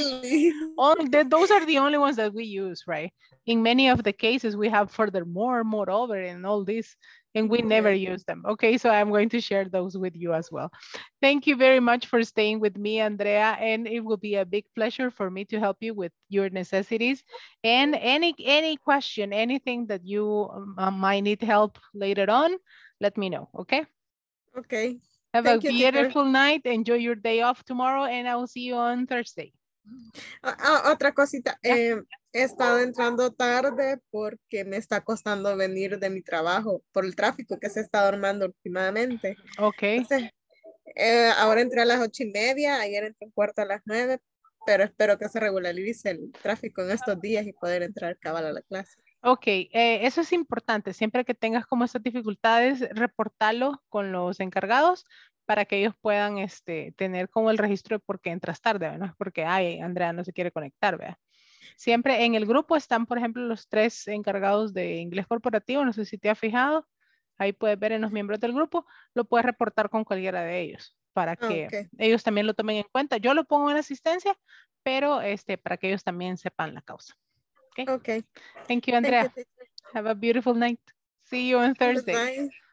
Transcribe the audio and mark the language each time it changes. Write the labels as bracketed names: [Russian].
[English] going, all the, those are the only ones that we use right in many of the cases we have furthermore moreover and all this and we never use them okay so I'm going to share those with you as well thank you very much for staying with me Andrea and it will be a big pleasure for me to help you with your necessities and any question anything that you might need help later on let me know okay okay have thank a you, beautiful teacher. Night enjoy your day off tomorrow and I will see you on Thursday [Spanish] otra cosita yeah. He estado entrando tarde porque me está costando venir de mi trabajo por el tráfico que se está armando últimamente [English] okay [Spanish] entonces, ahora entré a las 8:30 ayer entré un cuarto a las 9 pero espero que se regularice el tráfico en estos días y poder entrar cabal a la clase Ok, eso es importante. Siempre que tengas como estas dificultades, reportalo con los encargados para que ellos puedan tener como el registro de por qué entras tarde, ¿no? Porque, ay, Andrea no se quiere conectar, ¿verdad? Siempre en el grupo están, por ejemplo, los tres encargados de inglés corporativo. No sé si te has fijado. Ahí puedes ver en los miembros del grupo. Lo puedes reportar con cualquiera de ellos para que ellos también lo tomen en cuenta. Yo lo pongo en asistencia, pero para que ellos también sepan la causa. [English] Okay. Thank you, Andrea. Thank you. Have a beautiful night. See you on Thursday.